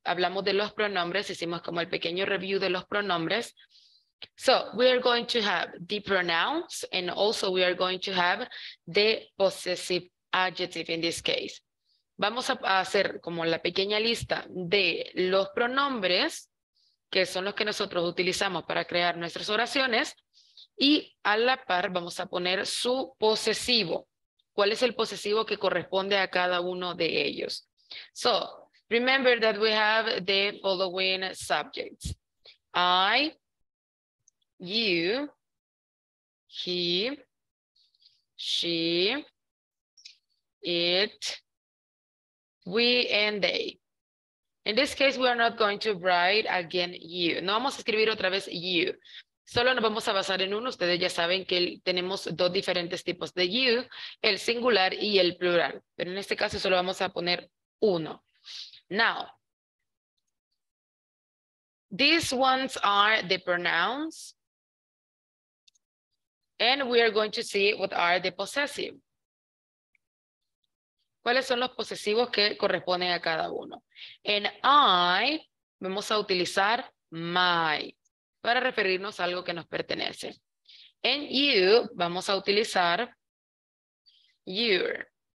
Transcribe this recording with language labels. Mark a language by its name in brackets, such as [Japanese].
[Spanish] Hablamos de los pronombres. Hicimos como el pequeño review de los pronombres. [English] So we are going to have the pronouns, and also we are going to have the possessive adjective in this case. [Spanish] Vamos a hacer como la pequeña lista de los pronombres, que son los que nosotros utilizamos para crear nuestras oraciones, y a la par vamos a poner su posesivo. ¿Cuál es el posesivo que corresponde a cada uno de ellos? [English] So, remember that we have the following subjects. I, you, he, she, it, we, and they. In this case, we are not going to write again you. [Spanish] No vamos a escribir otra vez you. Solo nos vamos a basar en uno. Ustedes ya saben que tenemos dos diferentes tipos de you, el singular y el plural. Pero en este caso solo vamos a poner uno. [English] Now, these ones are the pronouns. And we are going to see what are the possessive. [Spanish] ¿Cuáles son los posesivos que corresponden a cada uno? En I, vamos a utilizar my, para referirnos a algo que nos pertenece. [English] And you, [Spanish] vamos a utilizar your.